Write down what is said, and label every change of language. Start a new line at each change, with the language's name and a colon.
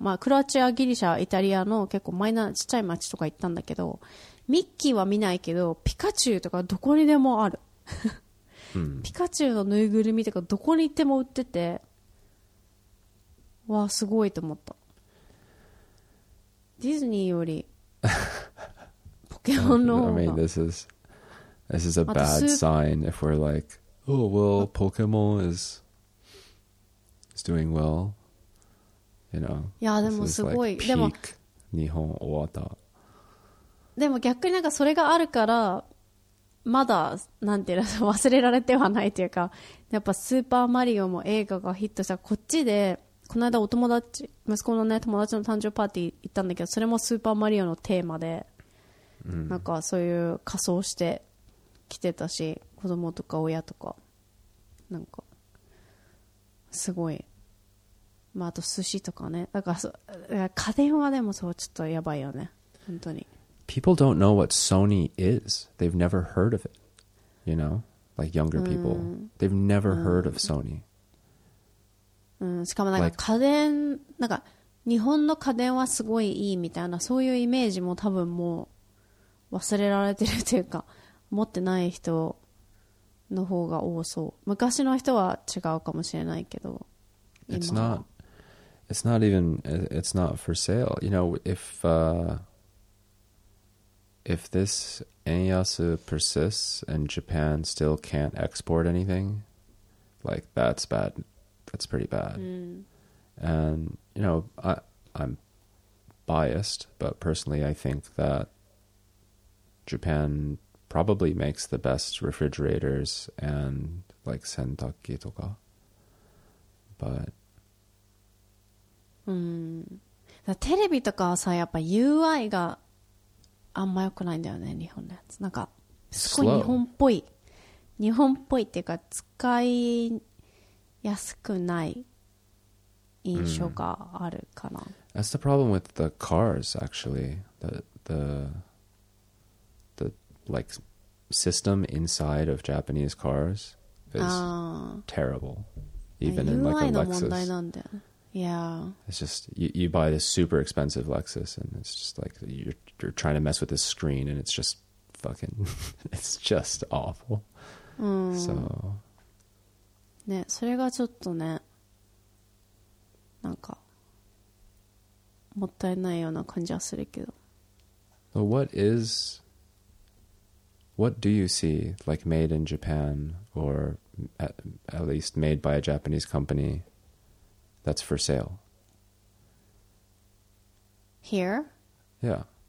Japanese: まあクロアチア、ギリシャ、イタリアの結構マイナーちっちゃい町とか行ったんだけど、ミッキーは見ないけど、ピカチュウとかどこにでもある。うん、ピカチュウのぬいぐるみとかどこに行っても売ってて、わあすごいと思った。ディズニーよりポケモンの方が。
English: I mean, this is a bad sign if we're like,Oh, well, Pokemon is doing well. You know,
Japanese: yeah, でもすごい、でも、日本終わった。でも逆になんかそれがあるから、まだ、なんていうの、忘れられてはないというか、やっぱスーパーマリオも映画がヒットした。こっちで、この間お友達、息子のね、友達の誕生パーティー行ったんだけど、それもスーパーマリオのテーマで、うん、なんかそういう仮装して来てたし、子供とか親とかなんかすごい、まあ、あと寿司とかね、だからそ、家電はでもそうちょっとやばいよね、本当に。
English: People don't know what Sony is. They've never heard of it. You know, like younger people, they've never heard of Sony.
Japanese: しかもなんか家電、like, なんか日本の家電はすごいいいみたいな、そういうイメージも多分もう忘れられてるというか、持ってない人の方が多そう。昔の人は違うかもしれないけど、
English: It's not for sale. You know, if this 円安 persists and Japan still can't export anything, like that's bad. That's pretty bad. And you know, I'm biased, but personally, I think that Japan. Probably makes the best refrigerators and like
Japanese: 洗濯機とか
English: but
Japanese: だテレビとかはさやっぱ UI があんま良くないんだよね、日本のやつなんかすごい日本っぽい、日本っぽいっていうか使いやすくない印象があるかな、
English: That's the problem with the cars actually, the likeSystem inside of Japanese cars is terrible. Even in like a Lexus. Yeah. It's just you buy this super expensive Lexus, and it's just like you're trying to mess with this screen, and it's just fucking, it's just awful. So.
Japanese: ね、それがちょっとね、なんかもったいないような感じはするけど。
English: But what is? What do you see, like, made in Japan, or at least made by a Japanese company that's for sale? Here? Yeah.